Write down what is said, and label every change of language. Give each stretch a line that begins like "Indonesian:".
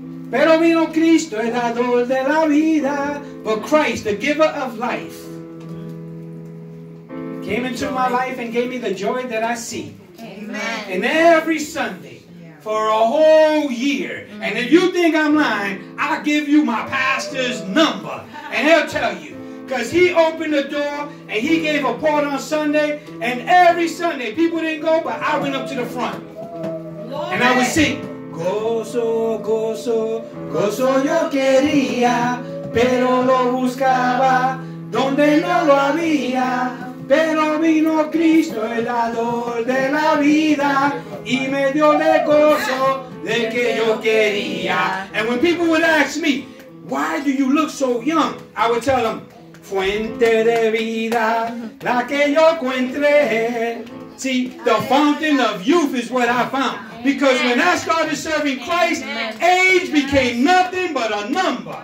Spanish: Pero vino Cristo, el dador de la vida.
English: But Christ, the giver of life, came into my life and gave me the joy that I see. Amen. And every Sunday, for a whole year, and if you think I'm lying, I'll give you my pastor's number, and he'll tell you. Because he opened the door, and he gave a part on Sunday, and every Sunday, people didn't go, but I went up to the front. And I would sing.
Spanish: Gozo, gozo, gozo yo quería, pero lo buscaba donde no lo había. Pero vino Cristo, el dador de la vida, y me dio de gozo de que yo quería.
English: And when people would ask me, why do you look so young? I would tell them,
Spanish: fuente de vida, la que yo encontré.
English: See, the fountain of youth is what I found. Because amen. When I started serving Christ, amen. Age amen. Became nothing but a number.